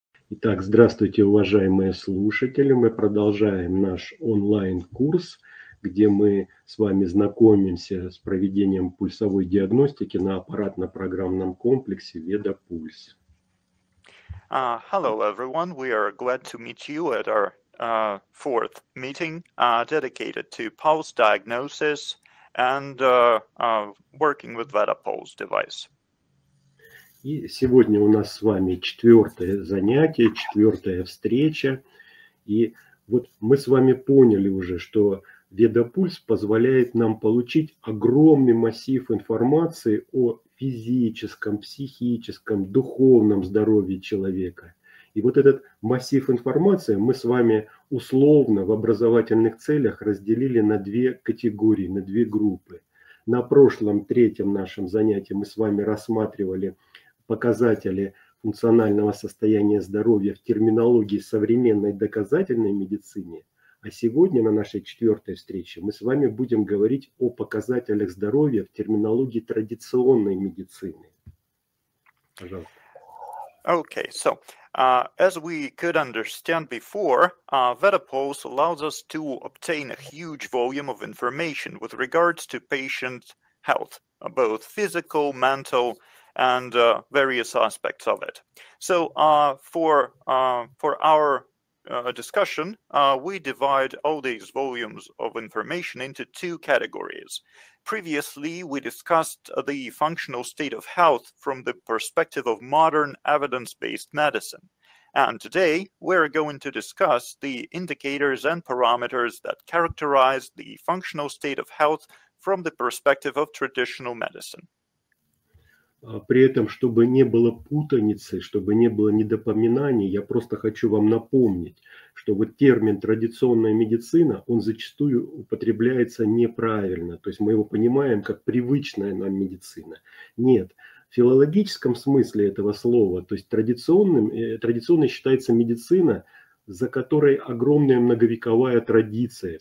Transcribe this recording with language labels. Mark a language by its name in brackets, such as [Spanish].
[Russian] Итак, здравствуйте, уважаемые слушатели. Мы продолжаем наш онлайн-курс, где мы с вами знакомимся с проведением пульсовой диагностики на аппаратно-программном комплексе VedaPulse. [English] Hello, everyone. We are glad to meet you at our fourth meeting dedicated to pulse diagnosis and working with VedaPulse device. [Russian] И сегодня у нас с вами четвертое занятие, четвертая встреча. И вот мы с вами поняли уже, что VedaPulse позволяет нам получить огромный массив информации о физическом, психическом, духовном здоровье человека. И вот этот массив информации мы с вами условно в образовательных целях разделили на две категории, на две группы. На прошлом третьем нашем занятии мы с вами рассматривали показатели функционального состояния здоровья в терминологии современной доказательной медицины, а сегодня на нашей четвертой встрече мы с вами будем говорить о показателях здоровья в терминологии традиционной медицины. Пожалуйста. [English] Okay, so as we could understand before, VedaPulse allows us to obtain a huge volume of information with regards to patient health, both physical, mental, and various aspects of it. So for our discussion, we divide all these volumes of information into two categories. Previously, we discussed the functional state of health from the perspective of modern evidence-based medicine. And today, we're going to discuss the indicators and parameters that characterize the functional state of health from the perspective of traditional medicine. [Russian] При этом, чтобы не было путаницы, чтобы не было недопоминаний, я просто хочу вам напомнить, что вот термин «традиционная медицина», он зачастую употребляется неправильно. То есть мы его понимаем как привычная нам медицина. Нет, в филологическом смысле этого слова, то есть традиционной считается медицина, за которой огромная многовековая традиция.